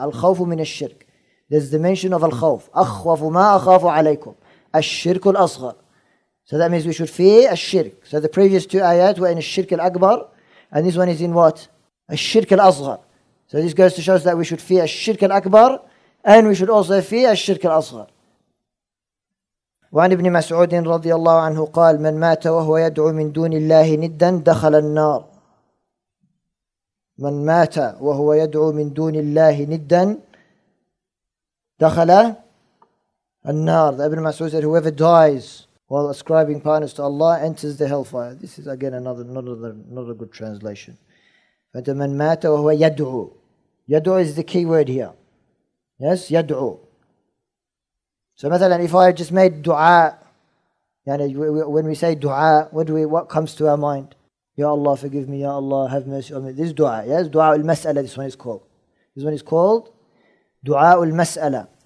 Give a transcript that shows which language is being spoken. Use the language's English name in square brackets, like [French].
[Arabic] Al-khawfu min al-shirk. [English] There's the mention of al-khawf. [Arabic] Akhwafu ma akhafu alaykum. [English] Al-shirk al-asghar. So that means we should fear al-shirk. So the previous two ayat were in al-shirk al-akbar. And this one is in what? Al-shirk al-asghar. So this goes to show us that we should fear al-shirk al-akbar. And we should also fear al-shirk al-asghar. [Arabic] وعن ابن مسعود رضي الله عنه قال من مات وهو يدعو من دون الله ندا دخل النار. من مات وهو يدعو من دون الله ندا دخل النار. [English] Ibn Mas'ud said, whoever dies while ascribing partners to Allah enters the hellfire. This is again not a good translation. But [Arabic] من مات وهو يدعو. [English] يدعو is the key word here. Yes, يدعو. So مثلا, if I just made dua, يعني, when we say dua, what comes to our mind? Ya Allah, forgive me. Ya Allah, have mercy on me. This is dua. Yes, dua al-mas'ala, this one is called dua al-mas'ala.